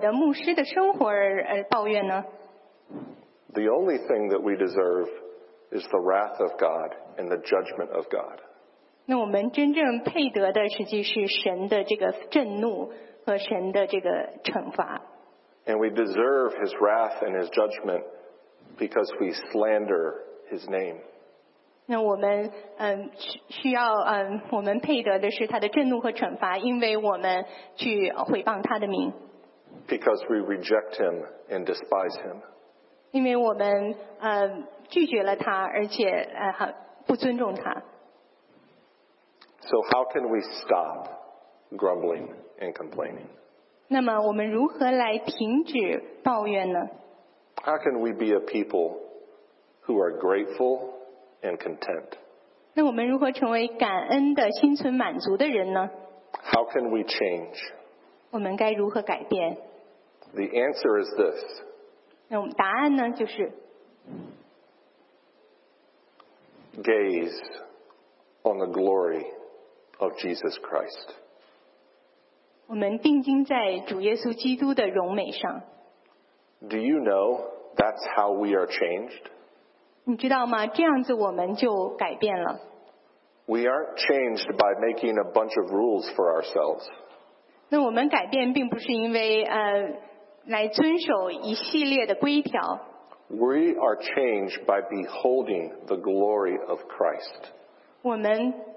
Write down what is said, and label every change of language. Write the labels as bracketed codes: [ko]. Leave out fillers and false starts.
[zh] 如果我连救恩都不配的话，我为什么会为我的牧师的生活而抱怨呢？ [en] The only thing that we deserve is the wrath of God and the judgment of God. [zh] 那我们真正配得的实际是神的这个震怒和神的这个惩罚。 [en] And we deserve His wrath and His judgment because we slander His name. [zh] 那我们配得的是他的震怒和惩罚，因为我们去毁谤他的名。 [en] Because we reject Him and despise Him. [zh] 因为我们, 拒绝了他, 而且, 不尊重他。 [en] So how can we stop grumbling and complaining? [zh] 那么我们如何来停止抱怨呢? [en] How can we be a people who are grateful and content? [zh] 那我们如何成为感恩的心存满足的人呢? [en] How can we change? [zh] 我们该如何改变? [en] The answer is this. [zh] 那我们答案呢就是 [en] Gaze on the glory of Jesus Christ. [zh] 我们定睛在主耶稣基督的荣美上。 [en] Do you know that's how we are changed? [zh] 你知道吗?这样子我们就改变了。 [en] We aren't changed by making a bunch of rules for ourselves. [zh] 那我们改变并不是因为 来遵守一系列的规条。 [en] We are changed by beholding the glory of Christ.